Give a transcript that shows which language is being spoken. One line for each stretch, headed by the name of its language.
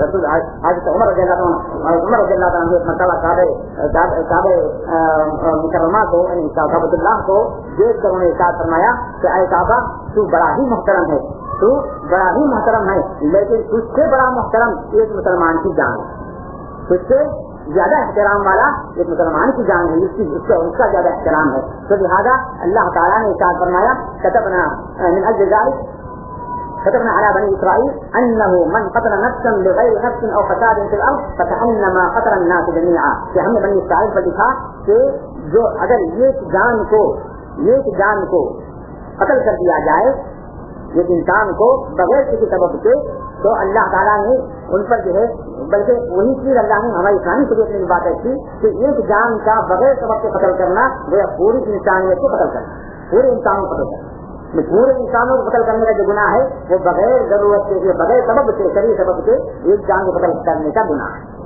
Urdu: رسول حضرت عمر رضی اللہ عنہ, عمر رضی اللہ عنہ ایک مرتبہ کعبہ مکرمہ کو یعنی کعبۃ اللہ کو دیکھ کر انہوں نے ارشاد فرمایا کہ اے کعبہ تو بڑا ہی محترم ہے, تو بڑا ہی محترم ہے, لیکن اس سے بڑا محترم ایک مسلمان کی جان, اس سے زیادہ احترام والا ایک مسلمان کی جان ہے, اس کی اس کا زیادہ احترام ہے. تو لہٰذا اللہ تعالیٰ نے ارشاد فرمایا
Arabic: کتبنا من اجل ذلك كتبنا على بني اسرائيل انه من قتل نفسا لغير نفس او فساد في الارض فكانما قتل الناس جميعا.
Urdu: کہ ہم نے بنی اسرائیل پر لکھا کہ جو اگر ایک جان کو قتل کر دیا جائے, ایک انسان کو بغیر کسی سبب کے, تو اللہ تعالیٰ نے ان پر جو ہے, بلکہ وہی چیز اللہ نے ہماری اسلامی طبیعت میں بات ہے کہ ایک جان کا بغیر سبب کے قتل کرنا وہ پوری انسانیت کو قتل کرنا, پورے انسان کو قتل کرنا, پورے انسانوں کو قتل کرنے کا جو گناہ ہے وہ بغیر ضرورت کے, بغیر سبب کے, شرعی سبب کے ایک جان کو قتل کرنے کا گناہ ہے.